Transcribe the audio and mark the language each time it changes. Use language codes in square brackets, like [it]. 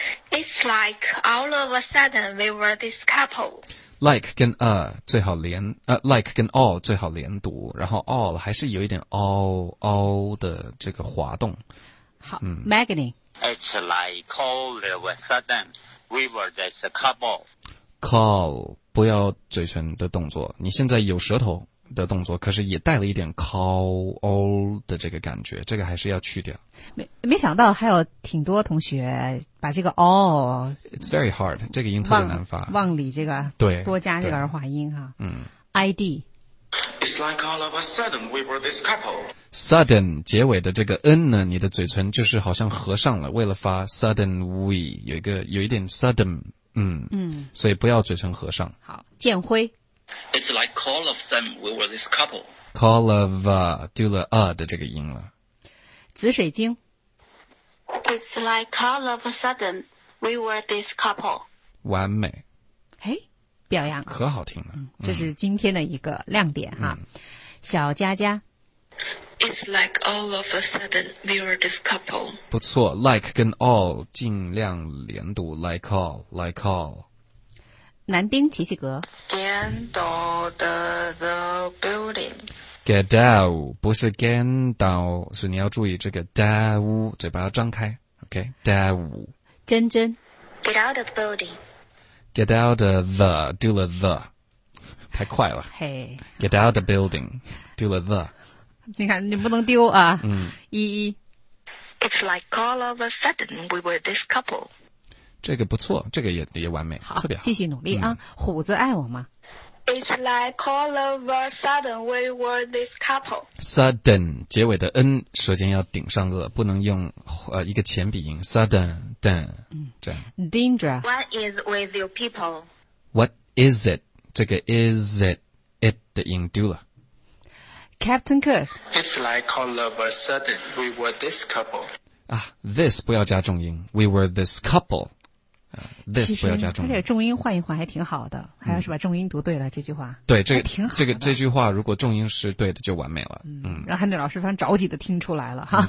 [en] It's like all of a sudden we were this couple. [zh] Like 跟 a 最好连，like 跟 all 最好连读，然后 all 还是有一点 all 的这个滑动。好、嗯、，Magni。 [en] It's like all of a sudden we were this couple. Call [zh] 不要嘴唇的动作，你现在有舌头的动作，可是也带了一点靠哦的这个感觉，这个还是要去掉。没想到还有挺多同学把这个哦 [en] It's very hard, [zh] 这个音特别难发。往里这个对多加这个儿化音哈、啊。嗯。 ID。 [en] It's like all of a sudden we were this couple. [zh] Sudden, 结尾的这个 N 呢，你的嘴唇就是好像合上了，为了发 [en] sudden we, [zh] 有一点 sudden, 嗯。嗯。所以不要嘴唇合上。好。建辉。 [en] It's like call of them, we were this couple. [zh] Call of, 丢了 的这个音了。紫水晶。 [en] It's like call of a sudden, we were this couple. [zh] 完美。诶，表扬。可好听了。嗯、这是今天的一个亮点哈。嗯、小佳佳。 [en] It's like all of a sudden, we were this couple. [zh] 不错 ,like 跟 all, 尽量连读 [en] like all, like all。 [zh] 南丁齐齐格 [en] Get out the building Get out [zh] 不是 [en] get down [zh] 是你要注意这个 down 嘴巴要张开 OK down 真真 [en] Get out of the building Get out of the do了 the [zh] 太快了 [en] hey, Get out of the building do了 the [zh] 你看你不能丢啊一一 [en] It's like all of a sudden we were this couple [zh] 这个不错，这个也完美，好，特别好，继续努力啊、嗯！虎子爱我吗 [en] ？It's like all of a sudden we were this couple. [zh] Sudden 结尾的 n 舌尖要顶上颚，不能用一个前鼻音。 [en] Sudden, then,、嗯、 [zh] 这样。 [en] Dindra, what is with your people? What is it? [zh] 这个 [en] is it it 的音丢了。 Captain Kirk, it's like all of a sudden we were this couple. [zh] 啊 ，this 不要加重音 ， [en] we were this couple， [zh] 啊、，this 不要加重音。他这个重音换一换还挺好的，还要是把重音读对了、嗯、这句话。对，这个挺好的。这句话如果重音是对的就完美了。嗯，然后韩磊老师非常着急的听出来了哈、